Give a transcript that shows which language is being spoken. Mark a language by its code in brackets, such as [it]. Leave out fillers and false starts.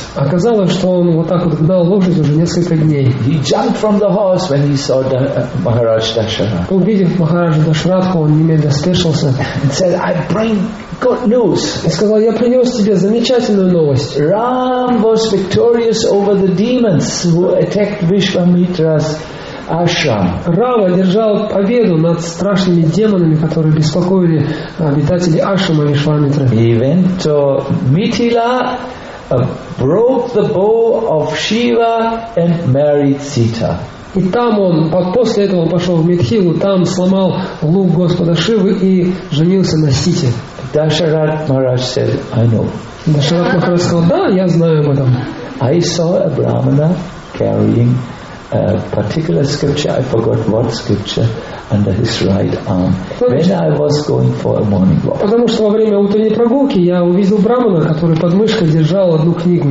[ru] Оказалось, что он вот так вот гнал лошадь уже несколько дней. [en] He jumped from the horse when he saw the Maharaj Dasharatha. [ru] Увидев Махараджа Дашаратху, он немедленно спешился. [en] And said, I bring good news. [ru] И сказал, я принес тебе замечательную новость. [en] Ram was victorious over the demons who attacked Vishvamitra's ашрам. [ru] Рама держал победу над страшными демонами, которые беспокоили обитателей ашрама и Вишвамитры. [en] He went to Mithila, broke the bow of Shiva and married Sita. [ru] И там он, после этого он пошел в Митхилу, там сломал лук Господа Шивы и женился на Сите. [en] Дашарат Махарадж said, I know. [ru] Дашарат Махарадж сказал, да, я знаю об этом. [en] I saw a brahmana carrying a particular scripture, I forgot what scripture, under his right arm. When I was going for a morning walk. [ru] Потому что во время утренней прогулки я увидел брахмана, который под мышкой держал одну книгу.